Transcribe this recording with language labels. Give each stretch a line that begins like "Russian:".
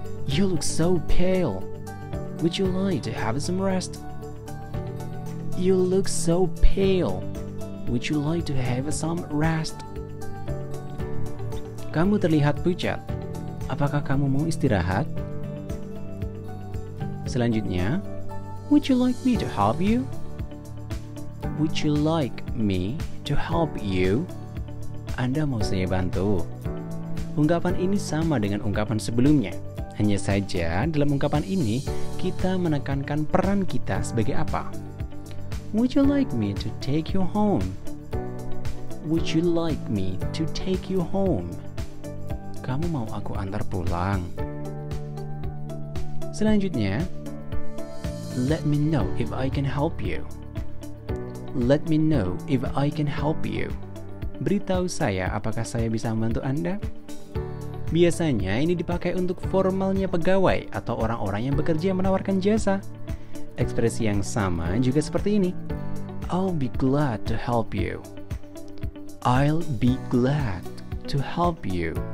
English: You look so pale. Would you like to have some rest? You look so pale. Would you like to have some rest?
Indonesian: Kamu terlihat pucat. Apakah kamu mau istirahat?
English: Selanjutnya, would you like me to help you? Would you like me to help you?
Indonesian: Anda mau saya bantu? Ungkapan ini sama dengan ungkapan sebelumnya. Hanya saja, dalam ungkapan ini, kita menekankan peran kita sebagai apa.
English: Would you like me to take you home? Would you like me to take you home?
Indonesian: Kamu mau aku antar pulang?
English: Selanjutnya, let me know if I can help you. Let me know if I can help you.
Indonesian: Beritahu saya apakah saya bisa membantu Anda? Biasanya ini dipakai untuk formalnya pegawai atau orang-orang yang bekerja menawarkan jasa. Ekspresi yang sama juga seperti ini.
English: I'll be glad to help you. I'll be glad to help you.